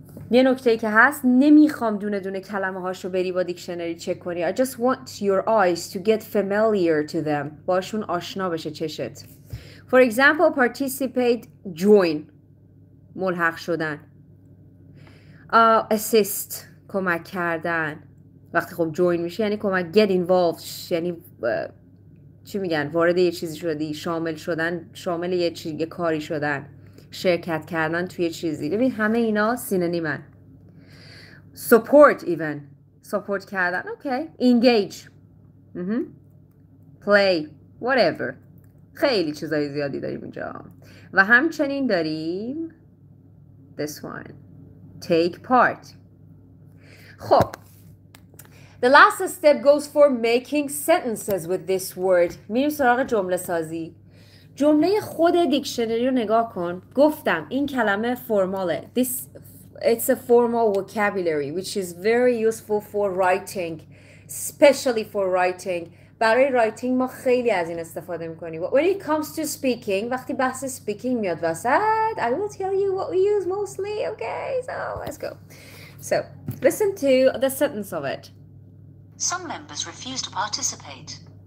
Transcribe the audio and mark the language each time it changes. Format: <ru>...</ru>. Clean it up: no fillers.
<fa>یه نکته ای که هست، نمیخوام دونه دونه کلمه هاشو بری با دیکشنری چک کنی.</fa> <en>I just want your eyes to get familiar to them.</en> <fa>باشون آشنا بشه چشت.</fa> <en>For example, participate, join.</en> <fa>ملحق شدن. Assist. کمک کردن. وقتی خب join میشه یعنی کمک.</fa> <en>Get involved.</en> <fa>یعنی چی میگن؟ وارد یه چیزی شدی. شامل شدن. شامل یه چیزی. یه کاری شدن. شرکت کردن توی چیزی. ببین همه اینا سینونیمن.</fa> <en>Support even. Support کردن. Okay. Engage. Play. Whatever.</en> <fa>خیلی چیزای زیادی داریم اینجا. و همچنین داریم</fa> <en>this one. Take part. خب the last step goes for making sentences with this word.</en> <fa>میریم سراغ جمله سازی. جمله خود دیکشنری رو نگاه کن. گفتم این کلمه فرماله.</fa> <en>This it's a formal vocabulary which is very useful for writing, especially for writing.</en> <fa>برای رایتینگ ما خیلی از این استفاده میکنیم.</fa> <en>When it comes to speaking،</en> <fa>وقتی بحث speaking میاد وسط،</fa> <en>I will tell you what we use mostly. Okay, so let's go. So listen to the sentence of it. Some members refuse to participate.</en>